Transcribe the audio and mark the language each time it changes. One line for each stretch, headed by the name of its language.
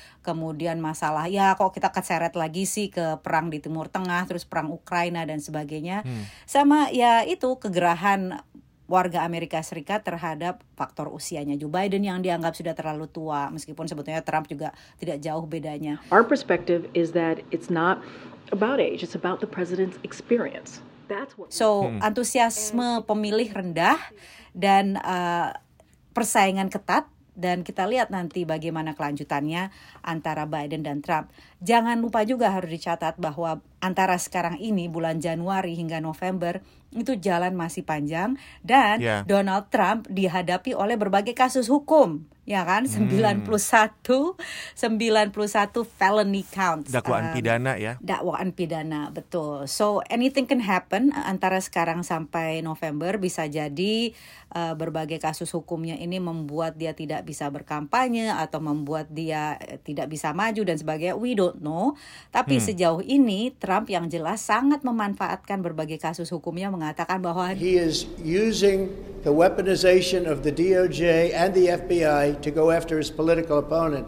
Indonesian: Kemudian masalah, ya kok kita keseret lagi sih ke perang di Timur Tengah, terus perang Ukraina dan sebagainya. Sama ya itu kegerahan warga Amerika Serikat terhadap faktor usianya Joe Biden yang dianggap sudah terlalu tua, meskipun sebetulnya Trump juga tidak jauh bedanya.
English: Our perspective is that it's not about age, it's about the president's experience.
Indonesian: So, antusiasme pemilih rendah dan persaingan ketat, dan kita lihat nanti bagaimana kelanjutannya antara Biden dan Trump. Jangan lupa juga harus dicatat bahwa antara sekarang ini, bulan Januari hingga November, itu jalan masih panjang, dan Donald Trump dihadapi oleh berbagai kasus hukum, ya kan?
English: 91 felony counts.
Indonesian: Dakwaan pidana ya. Dakwaan pidana, betul.
English: So, anything can happen
Indonesian: antara sekarang sampai November. Bisa jadi berbagai kasus hukumnya ini membuat dia tidak bisa berkampanye atau membuat dia tidak bisa maju dan sebagainya.
English: We don't know.
Indonesian: Tapi sejauh ini, Trump yang jelas sangat memanfaatkan berbagai kasus hukumnya, mengatakan bahwa
English: he is using the weaponization of the DOJ and the FBI to go after his political opponent.